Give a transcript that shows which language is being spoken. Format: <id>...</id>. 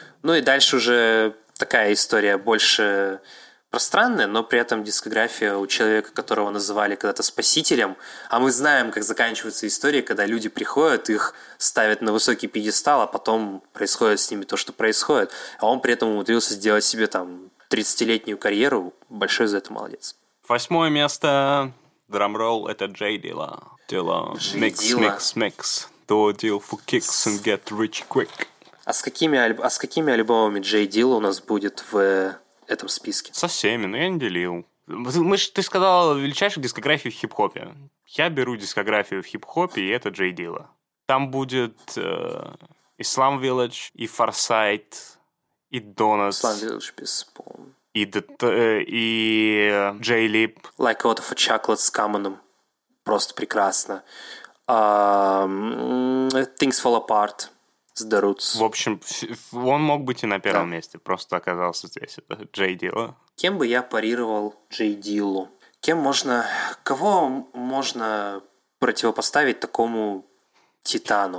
<ru>Ну и дальше уже такая история больше пространная, но при этом дискография у человека, которого называли когда-то спасителем, а мы знаем, как заканчиваются истории, когда люди приходят, их ставят на высокий пьедестал, а потом происходит с ними то, что происходит. А он при этом умудрился сделать себе там 30-летнюю карьеру. Большой за это молодец. Восьмое место, драмролл, это Jay Dilla.</ru> <en>Dilla, mix, mix, mix. Do a deal for kicks and get rich quick.</en> <ru>А с какими альбомами Jay Dilla у нас будет в... этом списке. Со всеми, но я не делил. Ты сказал величайшую дискографию в хип-хопе. Я беру дискографию в хип-хопе, и это Jay Dilla. Там будет Islam Village, и Farsight, и Donuts. Islam Village бесспорно. И Jay Lip. Like a Lot of Chocolate с Каманом. Просто прекрасно. Things Fall Apart. В общем, он мог быть и на первом месте, просто оказался здесь. Это Jay Dilla. Кем бы я парировал Jay Dilla? Кем можно... Кого можно противопоставить такому Титану?</ru>